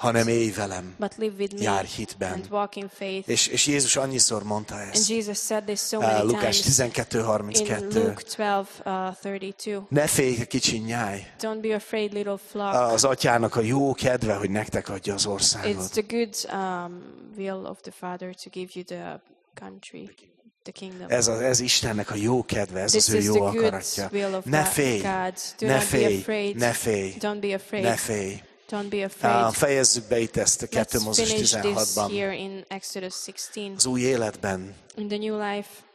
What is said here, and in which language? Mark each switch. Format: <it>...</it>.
<hu>hanem élj velem.</hu> <en>But live with me.</en> <hu>Jár hitben.</hu> <en>And walk in faith.</en> <hu>És Jézus annyiszor mondta ezt.</hu> <en>And Jesus said this so many times.</en> <hu>Lukás 12:32.</hu> <en>In Luke 12:32.</en> <hu>Ne félj, kicsi nyáj.</hu> <en>Don't be afraid, little flock.</en> <hu>Az atyának a jó kedve, hogy nektek adja az országot.</hu> <en>It's the good will of the Father to give you the country. The kingdom.</en> <hu>Ez Istennek a jó kedve, ez</hu> <en>this</en> <hu>az ő jó akaratja. Ne félj,</hu> <en>God. Do</en> <hu>ne</hu> <en>not</en> <hu>félj,</hu> <en>be afraid.</en> <hu>Ne félj,</hu> <en>don't be afraid.</en> <hu>Ne félj.</hu> <en>Don't be afraid.</en> <hu>Fejezzük be itt ezt a 2 Mózes 16-ban.</hu> <en>This here in Exodus 16.</en> <hu>Az új életben.</hu> <en>In the new life.</en>